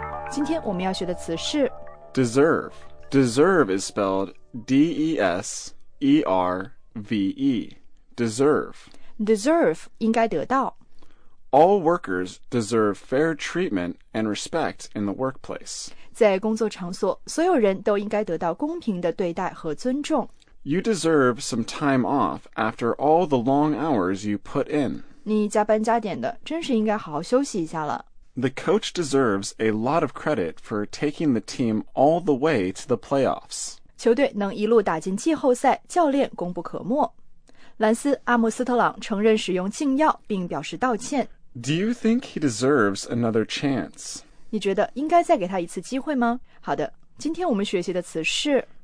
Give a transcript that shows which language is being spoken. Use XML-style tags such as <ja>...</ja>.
<zh>今天我们要学的词是</zh> <en>deserve. Deserve is spelled D-E-S-E-R. V-E, deserve.</en> <zh>Deserve, 应该得到。</zh> <en>All workers deserve fair treatment and respect in the workplace.</en> <zh>在工作场所，所有人都应该得到公平的对待和尊重。</zh> <en>You deserve some time off after all the long hours you put in.</en> <zh>你加班加点的，真是应该好好休息一下了。</zh> <en>The coach deserves a lot of credit for taking the team all the way to the playoffs.</en> <zh>球队能一路打进季后赛，教练功不可没。兰斯·阿姆斯特朗承认使用禁药，并表示道歉。</zh> <en>Do you think he deserves another chance?</en> <zh>你觉得应该再给他一次机会吗？好的，今天我们学习的词是</zh>